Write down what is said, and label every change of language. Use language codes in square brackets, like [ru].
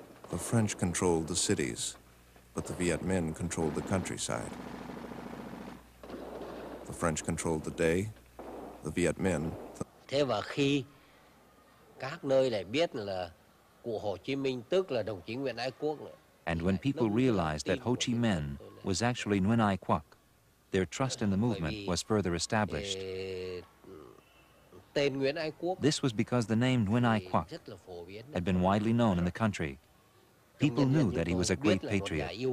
[en] The French controlled the cities, but the Viet Minh controlled the countryside. The French controlled the day, the Viet Minh... [vi] Thế và khi các nơi lại biết là của Hồ Chí Minh, tức là đồng chí Nguyễn Ái Quốc... [en] And when people realized that Ho Chi Minh was actually Nguyễn Ái Quốc, their trust in the movement was further established. This was because the name Nguyễn Ái Quốc had been widely known in the country. People knew that he was a great patriot.